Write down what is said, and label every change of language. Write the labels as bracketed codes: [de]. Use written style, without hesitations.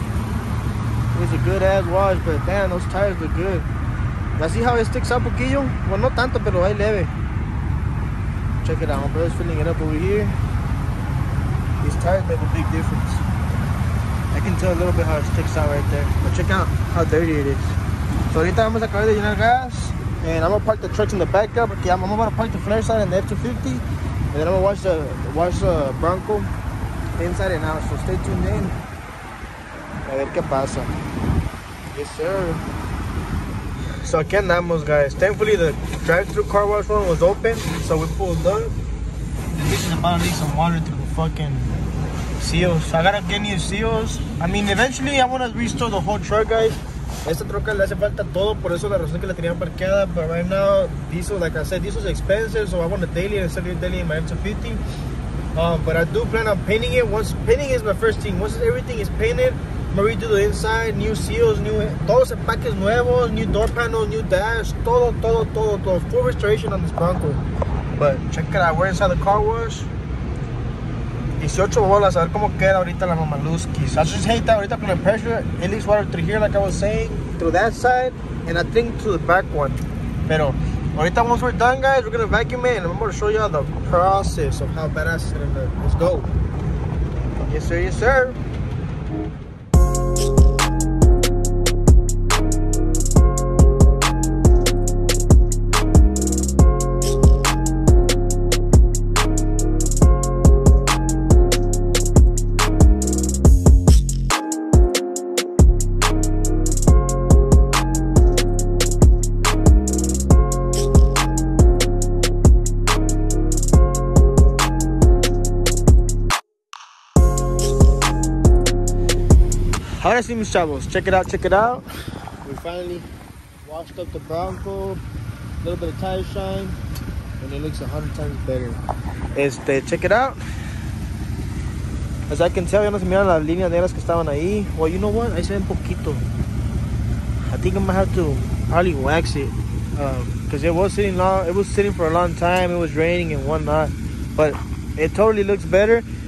[en] It was a good ass wash, but damn, those tires look good. Let's see how it sticks up, poquillo. Well, [es] no tanto, pero ahí leve. [en] Check it out. My brother's filling it up over here. These tires make a big difference. I can tell a little bit how it sticks out right there. But check out how dirty it is. [es] So ahorita vamos a acabar de llenar gas. [en] And I'm gonna park the trucks in the back up. Okay, I'm gonna park the flare side in the F-250. And then I'm gonna wash the Bronco inside and out. So stay tuned in. [es] A ver qué pasa. [en] Yes, sir. So [es] aquí andamos, [en] guys. Thankfully, the drive-through car wash one was open. So we pulled up. This is about to need some water to fucking seals. So I gotta get new seals. I mean, eventually I wanna restore the whole truck, guys. [es] Esta troca le hace falta todo, por eso la razón que la tenía parqueada. [en] But right now, diesel, like I said, diesel's expensive, so I want a daily and sell it daily in my F-250. But I do plan on painting it. Once painting is my first thing. Once everything is painted, I'm gonna redo the inside, new seals, new [es] todos empaques nuevos, [en] new door panels, new dash, todo, full restoration on this Bronco. But check it out, we're inside the car wash. [es] 18 bolas, a ver cómo queda ahorita la mamaluski. [en] So I just hate that [es] ahorita con [en] the pressure, it leaks water through here, like I was saying, through that side, and I think to the back one. [es] Pero ahorita [en] once we're done, guys, we're gonna vacuum it, and I'm gonna show y'all the process of how badass it's gonna look. Let's go. Yes, sir, yes, sir. See, [es] mis chavos, [en] check it out. We finally washed up the Bronco, a little bit of tire shine, and it looks 100 times better. Check it out. [es] As I can tell, ya no se miran las líneas negras que estaban ahí. [en] Well, you know what? [es] Ahí se ven poquito. [en] I think I'm gonna have to probably wax it, because it was sitting for a long time. It was raining and whatnot, but it totally looks better.